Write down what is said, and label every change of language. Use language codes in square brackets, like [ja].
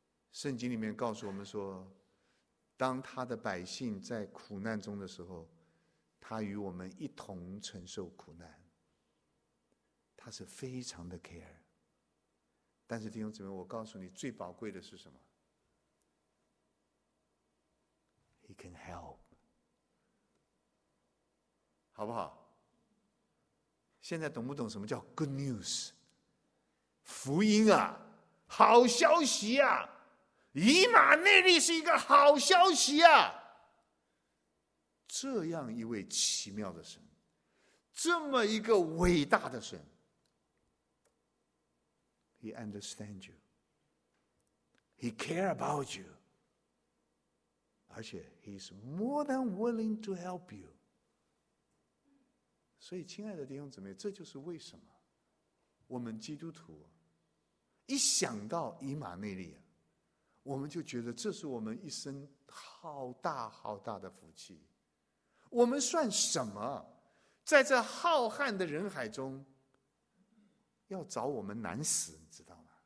[zh] 圣经里面告诉我们说，当他的百姓在苦难中的时候，他与我们一同承受苦难，他是非常的 care。但是弟兄姊妹，我告诉你最宝贵的是什么？ [en] He can help，好不好？ [zh] 现在懂不懂什么叫 good news？福音啊，好消息啊，以马内利是一个好消息啊！ [en] 这样一位奇妙的神，这么一个伟大的神， He understands you， He cares about you，而且 He's more than willing to help you。 [zh] 所以亲爱的弟兄姊妹，这就是为什么我们基督徒一想到以马内利啊，我们就觉得这是我们一生好大好大的福气。我们算什么？在这浩瀚的人海中要找我们难死，你知道吗？